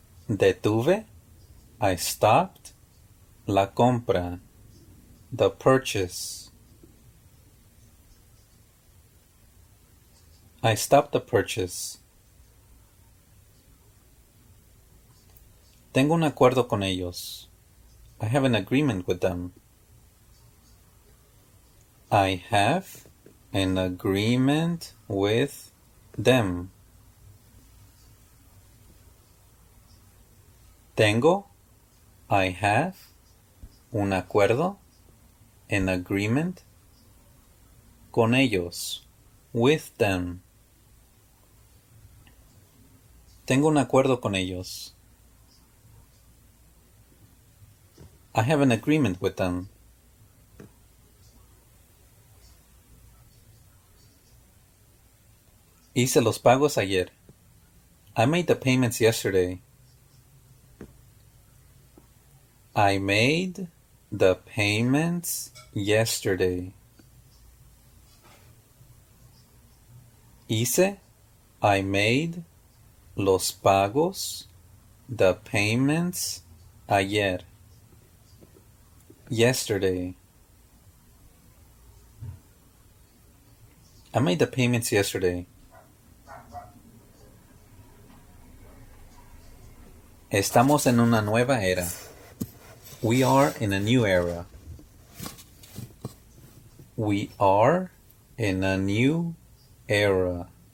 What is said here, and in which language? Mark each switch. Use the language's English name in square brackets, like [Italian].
[Spanish] Detuve. [English] I stopped [Spanish] la compra. [English] The purchase. I stopped the purchase. [Spanish] Tengo un acuerdo con ellos. [English] I have an agreement with them. I have an agreement with them. [Spanish] Tengo, [English] I have, [Spanish] un acuerdo, [English] an agreement, [Spanish] con ellos, [English] with them. [Spanish] Tengo un acuerdo con ellos. [English] I have an agreement with them. [Spanish] Hice los pagos ayer. [English] I made the payments yesterday. I made the payments yesterday. [Spanish] Hice, [English] I made [Spanish] los pagos, [English] the payments [Spanish] ayer. [English] Yesterday. I made the payments yesterday. [Spanish] Estamos en una nueva era. [English] We are in a new era. We are in a new era.